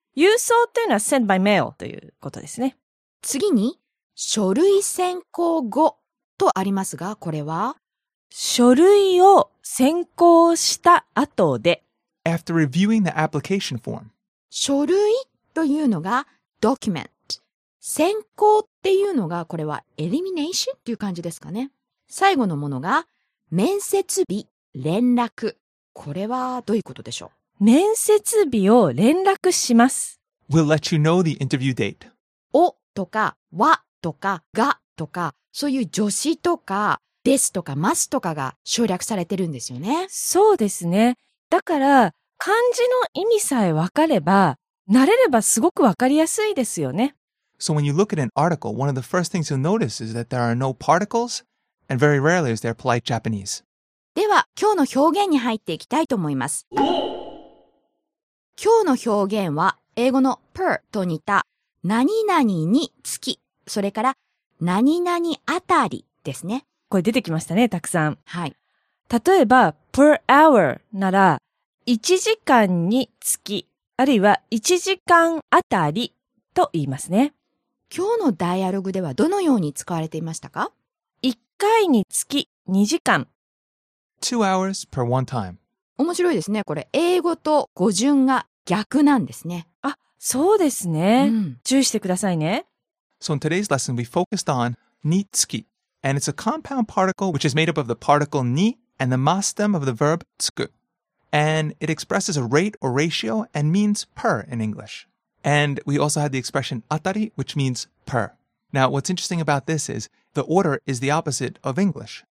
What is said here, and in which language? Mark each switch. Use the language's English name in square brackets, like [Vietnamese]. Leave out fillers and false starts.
[Japanese] 郵送というのは send by mail ということですね。次に、書類選考後とありますが、これは書類を選考した後で。 [English] After reviewing the application form. [Japanese] 書類というのが document。選考っていうのがこれは elimination っていう感じですかね。最後のものが面接日、連絡。これはどういうことでしょう？面接日を連絡します。 [English] We'll let you know the interview date. [Japanese] をとか、はとか、がとか、そういう助詞とか、ですとか、ますとかが省略されてるんですよね。そうですね。だから、漢字の意味さえわかれば、慣れればすごくわかりやすいですよね。 [English] So when you look at an article, one of the first things you'll notice is that there are no particles. And very rarely is there polite Japanese. [Japanese] では、今日の表現に入っていきたいと思います。今日の表現は、英語の per と似た、何々につき、それから、何々あたりですね。これ出てきましたね、たくさん。はい。例えば、per hour なら、1時間につき、あるいは1時間あたりと言いますね。今日のダイアログではどのように使われていましたか？ 1回につき2時間。 [English] 2 hours per one time. [Japanese] 面白いですね。これ、英語と語順が逆なんですね。あ、そうですね。うん、注意してくださいね。 [English] So in today's lesson, we focused on につき. And it's a compound particle which is made up of the particle に and the masdem of the verb つく. And it expresses a rate or ratio and means per in English. And we also had the expression あたり, which means per. Now, what's interesting about this is the order is the opposite of English.